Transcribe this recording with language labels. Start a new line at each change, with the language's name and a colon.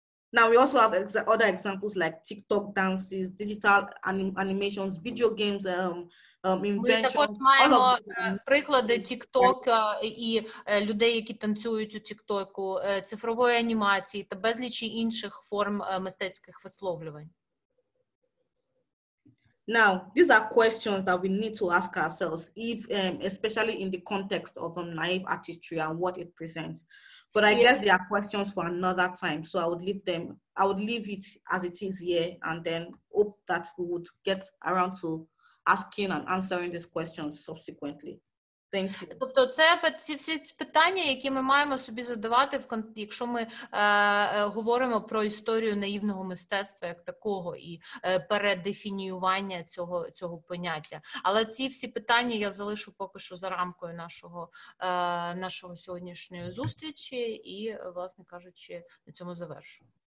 English: Now we also have other examples like TikTok dances, digital animations, video games, inventions.
Ukrainian: Ми також маємо приклади TikTok і людей, які танцюють у TikTok, цифрової анімації та безлічі інших форм мистецьких висловлювань.
English: Now, these are questions that we need to ask ourselves, if especially in the context of naive artistry and what it presents. But I guess there are questions for another time, so I would leave it as it is here, and then hope that we would get around to asking and answering these questions subsequently. Thank you.
Ukrainian: Тобто це ці всі питання, які ми маємо собі задавати, якщо ми говоримо про історію наївного мистецтва як такого і передефініювання цього поняття. Але ці всі питання я залишу поки що за рамкою нашого сьогоднішньої зустрічі і, власне кажучи, на цьому завершу.